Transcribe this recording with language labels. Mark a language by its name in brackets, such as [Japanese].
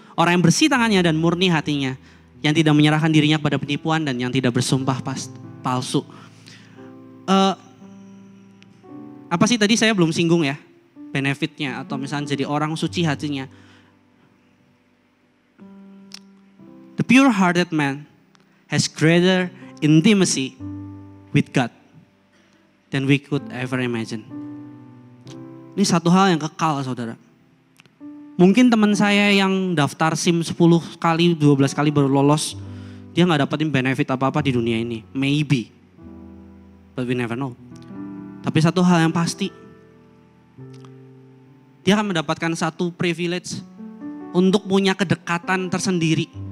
[Indonesian] Orang yang bersih tangannya dan murni hatinya, yang tidak menyerahkan dirinya pada penipuan dan yang tidak bersumpah palsu. Apa sih tadi saya belum singgung ya, benefitnya atau misalnya jadi orang suci hatinya. [English] The pure-hearted man has greater intimacy with God than we could ever imagine. [Indonesian] Ini satu hal yang kekal, saudara. Mungkin teman saya yang daftar SIM 10 kali, 12 kali baru lolos, dia gak dapetin benefit apa-apa di dunia ini. [English] Maybe. But we never know. [Indonesian] Tapi satu hal yang pasti, dia akan mendapatkan satu privilege untuk punya kedekatan tersendiri.